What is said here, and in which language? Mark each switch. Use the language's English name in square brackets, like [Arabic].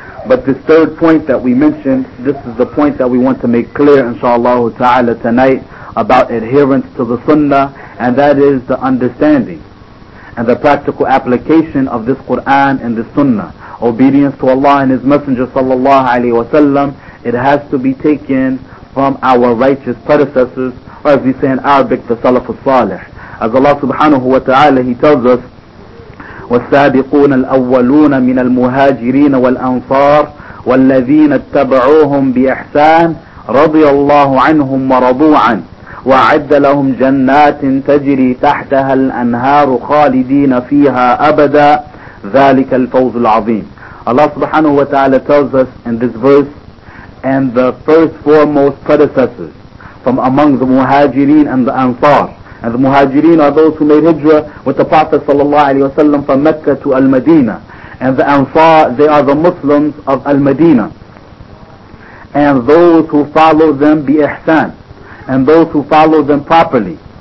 [English] But this third point that we mentioned, this is the point that we want to make clear inshallah ta'ala tonight about adherence to the sunnah, and that is the understanding and the practical application of this Quran and this Sunnah. Obedience to Allah and His Messenger sallallahu alayhi wa sallam, it has to be taken from our righteous predecessors, or as we say in Arabic, the Salaf al-Salih. As Allah subhanahu wa ta'ala, He tells us, [Arabic] وَالسَّابِقُونَ الْأَوَّلُونَ مِنَ الْمُهَاجِرِينَ وَالْأَنصَارِ وَالَّذِينَ اتَّبَعُوهُمْ بِإِحْسَانِ رَضِيَ اللَّهُ عَنْهُمْ وَرَضُوا عَنْهُ وأعد لهم جنات تجري تحتها الأنهار خالدين فيها أبدا ذلك الفوز العظيم. [English] Allah subhanahu wa ta'ala tells us in this verse, and the first foremost predecessors from among the muhajirin and the ansar, and the muhajirin are those who made hijrah with the Prophet sallallahu alayhi wa sallam from Mecca to Al-Madinah, and the ansar, they are the Muslims of Al-Madinah, and those who follow them bi ihsan, and those who follow them properly,